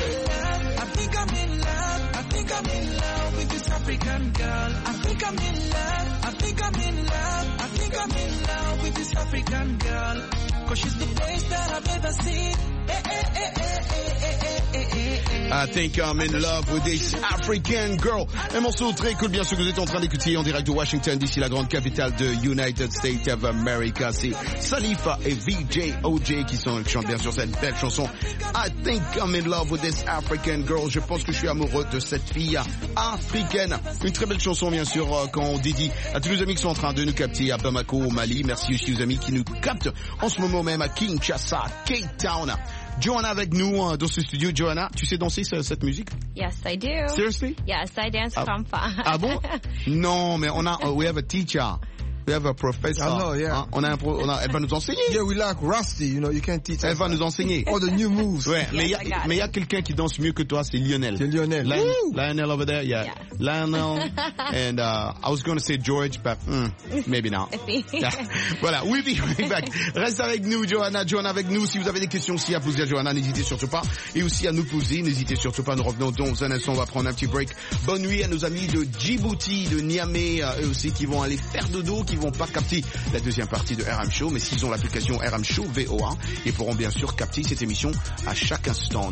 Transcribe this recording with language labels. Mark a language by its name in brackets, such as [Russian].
[English] I think I'm in love with this African girl. I think I'm in love with this African girl. Cause she's the best that I've ever seen. I think I'm in love with this African girl. [French] Un morceau très cool, bien sûr, que vous êtes en train d'écouter en direct de Washington DC, la grande capitale de United States of America. C'est Salifa et VJ OJ qui chantent bien sûr cette belle chanson. [English] I think I'm in love with this African girl. [French] Je pense que je suis amoureux de cette fille africaine. Une très belle chanson, bien sûr, quand on dédie à tous les amis qui sont en train de nous capter à Bamako, au Mali. Merci aussi aux amis qui nous captent en ce moment même à Kinshasa, Cape Town. Joanna avec nous dans ce studio. Joanna, tu sais danser cette musique? [English] Yes, I do. Seriously? Yes, I dance Kompa. [French] Ah bon? Non, mais on a, [English] we have a teacher. We have a professor. I know, yeah. Hein? [French] Elle va nous enseigner. [English] Yeah, we like Rusty, you know, you can't teach. [French] Elle va nous enseigner. [English] All the new moves. [French] Ouais, yes, mais il y a quelqu'un qui danse mieux que toi, c'est Lionel. C'est Lionel. [English] Lionel over there, yeah. Yes. Lionel. And, I was going to say George, but, maybe not. [French] Voilà, [English] we'll be right back. [French] Reste avec nous, Joanna. Joanna avec nous. Si vous avez des questions aussi à poser à Joanna, n'hésitez surtout pas. Et aussi à nous poser, n'hésitez surtout pas. Nous revenons dans un instant, on va prendre un petit break. Bonne nuit à nos amis de Djibouti, de Niamey, eux aussi qui vont aller faire dodo, qui vont pas capter la deuxième partie de RM Show, mais s'ils ont l'application RM Show VOA, ils pourront bien sûr capter cette émission à chaque instant.